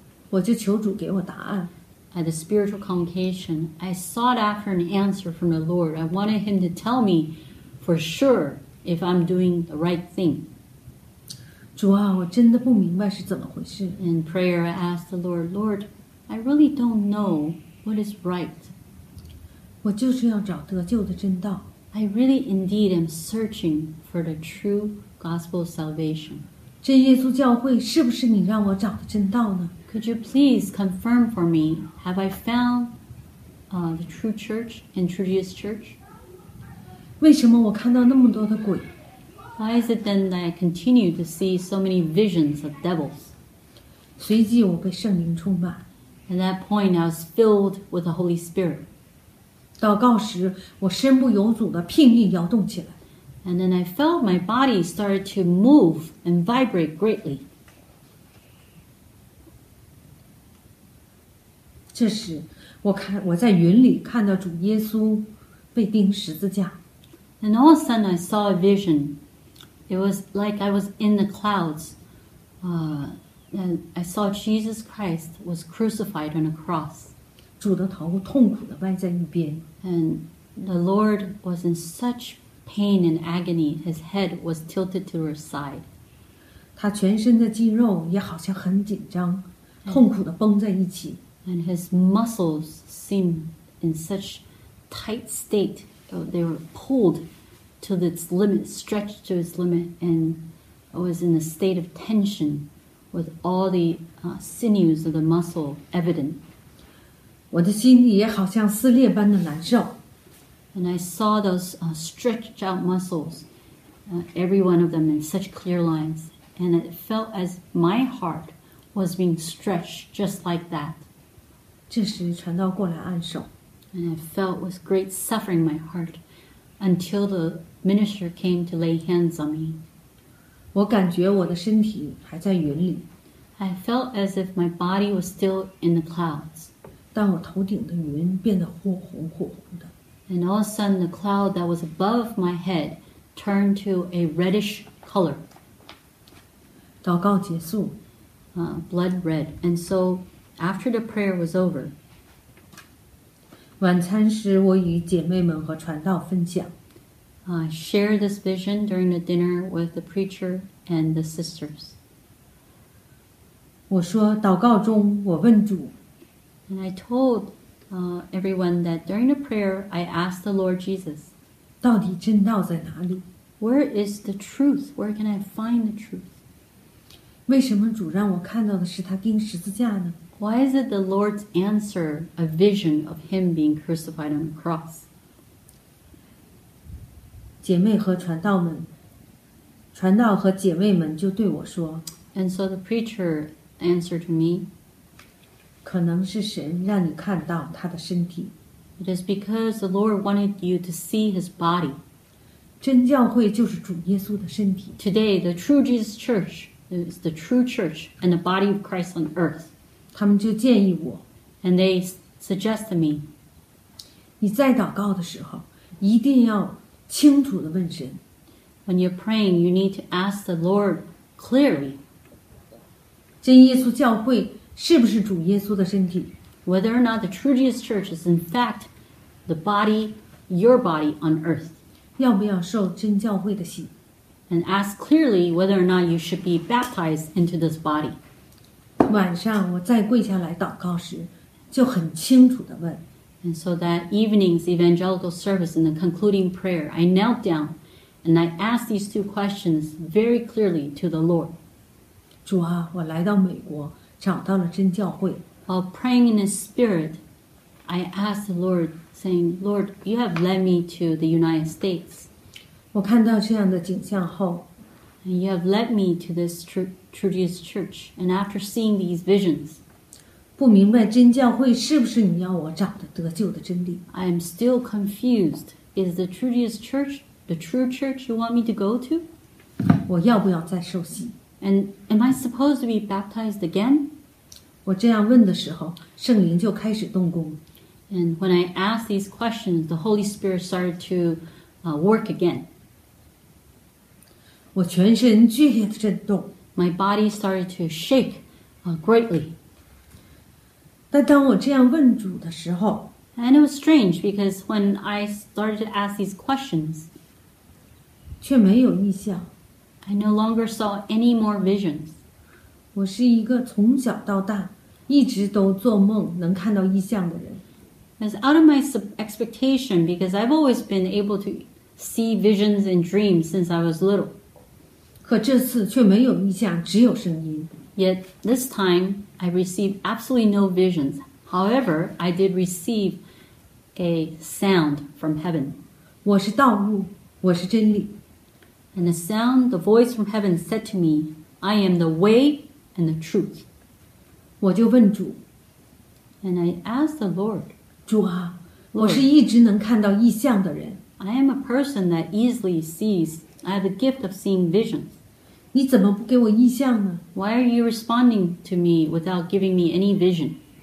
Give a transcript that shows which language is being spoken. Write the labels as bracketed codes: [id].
[zh] 我就求主给我答案。 [en] At the spiritual convocation, I sought after an answer from the Lord. I wanted him to tell me for sure if I'm doing the right thing. [zh] 主啊，我真的不明白是怎么回事。 [en] In prayer, I asked the Lord, Lord, I really don't know what is right. [zh] 我就是要找得救的真道。 [en] I really indeed am searching for the true gospel salvation. [zh] 这耶稣教会是不是你让我找的真道呢？ [en] Could you please confirm for me, have I found the true church and true Jesus church? [zh] 为什么我看到那么多的鬼? [en] Why is it then that I continue to see so many visions of devils? [zh] 随即我被圣灵充满。 [en] At that point, I was filled with the Holy Spirit. [zh] 祷告时我身不由主地拼命摇动起来。 [en] And then I felt my body started to move and vibrate greatly. [zh] 这时我在云里看到主耶稣被钉十字架。 [en] And all of a sudden I saw a vision. It was like I was in the clouds. And I saw Jesus Christ was crucified on a cross. [zh] 主的头痛苦地歪在一边。 [en] And the Lord was in such pain and agony. His head was tilted to her side. [zh] 他全身的肌肉也好像很紧张，痛苦地绷在一起。 [en] And his muscles seemed in such tight state, they were pulled to its limit, stretched to its limit, and was in a state of tension with all the sinews of the muscle evident. [zh] 我的心里也好像撕裂般的难受。 [en] And I saw those stretched out muscles, every one of them in such clear lines, and it felt as my heart was being stretched just like that. [zh] 这时传道过来按手。 [en] And I felt with great suffering in my heart until the minister came to lay hands on me. [zh] 我感觉我的身体还在云里。 [en] I felt as if my body was still in the clouds. [zh] 但我头顶的云变得火红火红的。 [en] And all of a sudden the cloud that was above my head turned to a reddish color. [zh] 祷告结束。 [en] Blood red. And soAfter the prayer was over, [zh] 晚餐时我与姐妹们和传道分享。 [en] I shared this vision during the dinner with the preacher and the sisters. [zh] 我说祷告中我问主。 [en] And I told everyone that during the prayer, I asked the Lord Jesus, [zh] 到底真道在哪里? [en] Where is the truth? Where can I find the truth? [zh] 为什么主让我看到的是他钉十字架呢? [en] Why is it the Lord's answer a vision of him being crucified on the cross? [zh] 姐妹和传道们，传道和姐妹们就对我说。 [en] And so the preacher answered to me. [zh] 可能是神让你看到他的身体。 [en] It is because the Lord wanted you to see his body. [zh] 真教会就是主耶稣的身体。 [en] Today, the true Jesus church is the true church and the body of Christ on earth. [zh] 他们就建议我 [en] and they suggested me [zh] 你在祷告的时候一定要清楚地问神 [en] when you're praying you need to ask the Lord clearly [zh] 真耶稣教会是不是主耶稣的身体 [en] whether or not the true Jesus church is in fact the body your body on earth [zh] 要不要受真教会的洗 [en] and ask clearly whether or not you should be baptized into this body [zh] 晚上我再跪下来祷告时就很清楚地问 [en] And so that evening's evangelical service in the concluding prayer I knelt down and I asked these two questions very clearly to the Lord [zh] 主啊我来到美国找到了真教会 [en] While praying in the spirit I asked the Lord saying Lord you have led me to the United States [zh] 我看到这样的景象后 [en] And you have led me to this true Jesus church. And after seeing these visions, [zh] 不明白真教会是不是你要我找的得救的真理。 [en] I am still confused. Is the true Jesus church the true church you want me to go to? [zh] 我要不要再受洗? [en] And am I supposed to be baptized again? [zh] 我这样问的时候，圣灵就开始动工。 [en] And when I asked these questions, the Holy Spirit started to work again. [zh] 我全身剧烈的震动 [en] my body started to shake greatly. [zh] 但当我这样问主的时候 [en] And it was strange because when I started to ask these questions, [zh] 却没有异象 [en] I no longer saw any more visions. [zh] 我是一个从小到大一直都做梦能看到异象的人。 [en] It's out of my expectation because I've always been able to see visions and dreams since I was little. [zh] 可这次却没有异象，只有声音。 [en] Yet this time, I received absolutely no visions. However, I did receive a sound from heaven. [zh] 我是道路，我是真理。 [en] And the sound, the voice from heaven said to me, I am the way and the truth. [zh] 我就问主 [en] And I asked the Lord, [zh] 主啊 Lord, 我是一直能看到异象的人 [en] I am a person that easily sees I have the gift of seeing visions [zh] 你怎么不给我异象呢 [en] Why are you responding to me without giving me any vision?